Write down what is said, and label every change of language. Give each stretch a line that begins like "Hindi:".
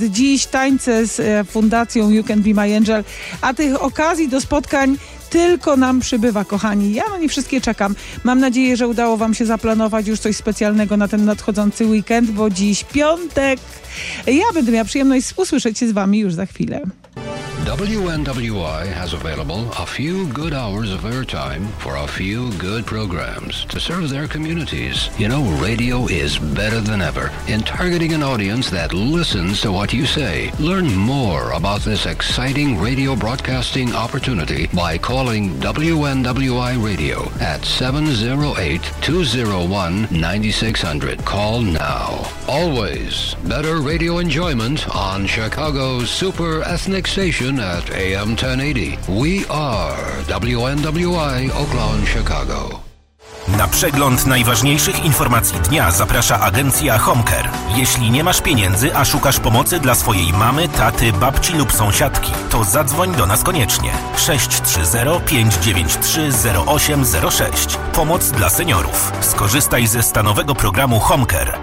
Polish: Dziś tańce z fundacją You Can Be My Angel. A tych okazji do spotkań tylko nam przybywa, kochani. Ja na nie wszystkie czekam. Mam nadzieję, że udało wam się zaplanować już coś specjalnego na ten nadchodzący weekend, bo dziś piątek. Ja będę miała przyjemność usłyszeć się z wami już za chwilę.
English: WNWI has available a few good hours of airtime for a few good programs to serve their communities. You know, radio is better than ever in targeting an audience that listens to what you say. Learn more about this exciting radio broadcasting opportunity by calling WNWI Radio at 708-201-9600. Call now. Always better radio enjoyment on Chicago's Super Ethnic Station at AM 1080. We are WNWI Oakland, Chicago.
Polish: Na przegląd najważniejszych informacji dnia zaprasza agencja Homecare. Jeśli nie masz pieniędzy, a szukasz pomocy dla swojej mamy, taty, babci lub sąsiadki, to zadzwoń do nas koniecznie. 630-593-0806. Pomoc dla seniorów. Skorzystaj ze stanowego programu Homecare.